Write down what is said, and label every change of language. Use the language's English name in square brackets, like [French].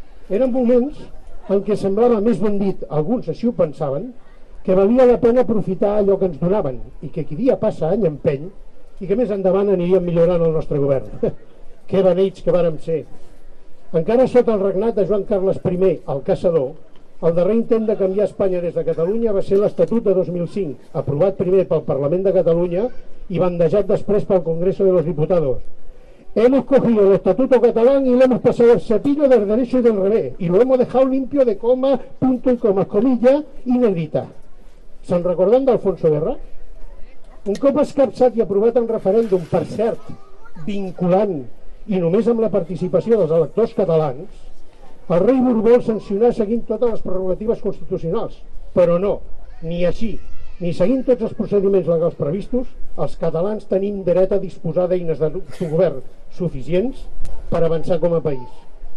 [Catalan] Eren moments en què semblava més ben dit, alguns així ho pensaven, que valia la pena aprofitar allò que ens donaven i que qui dia passa any empeny i que més endavant aniria millorant el nostre govern. Que eren ells que vàrem ser. Encara sota el regnat de Joan Carles I, el caçador, el darrer intent de canviar Espanya des de Catalunya va ser l'Estatut de 2005, aprovat primer pel Parlament de Catalunya i bandejat després pel Congreso de los Diputados. [Spanish] Hemos cogido el Estatuto catalán y lo hemos pasado al cepillo del derecho y del revés, y lo hemos dejado limpio de coma, punto y coma, comilla y negrita. [Catalan] ¿Se'n recordan d'Alfonso Guerra? Un cop escapçat i aprovat en referèndum, per cert, vinculant i només amb la participació dels electors catalans, el rei Borbó el sancionà seguint totes les prerrogatives constitucionals, però no, ni així, ni seguint tots els procediments legals previstos, els catalans tenim dret a disposar d'eines de govern suficients per avançar com a país.